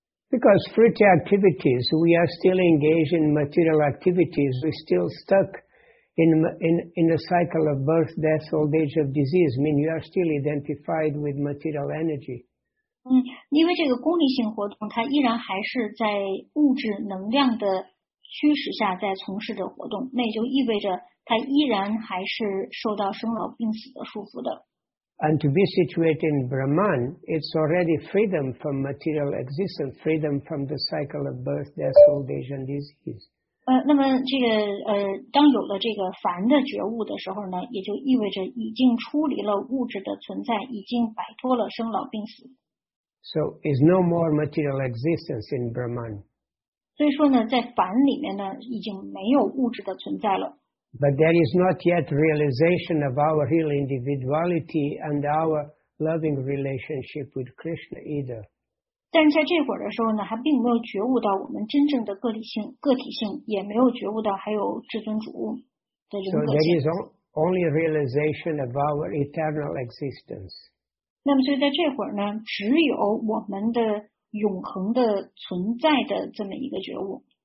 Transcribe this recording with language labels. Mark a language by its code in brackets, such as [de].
[en] Because fruitive activities, we are still engaged in material activities, we're still stuck. In the cycle of birth, death, old age of disease, I mean you are still identified with material energy. [zh] 因为这个功利性活动，它依然还是在物质能量的驱使下在从事着活动，那也就意味着它依然还是受到生老病死的束缚的。 [en] And to be situated in Brahman, it's already freedom from material existence, freedom from the cycle of birth, death, old age, and disease. [zh] 那么这个当有了这个凡的觉悟的时候呢，也就意味着已经出离了物质的存在，已经摆脱了生老病死。 [en] So is no more material existence in Brahman. [zh] 所以说呢，在凡里面呢，已经没有物质的存在了。 [en] But there is not yet realization of our real individuality and our loving relationship with Krishna either. [zh] 但在这会儿的时候呢，还并没有觉悟到我们真正的个体性，个体性也没有觉悟到还有至尊主的人格性。 [en] So there is only realization of our eternal existence. [zh] 那么就在这会儿呢，只有我们的永恒的存在的这么一个觉悟。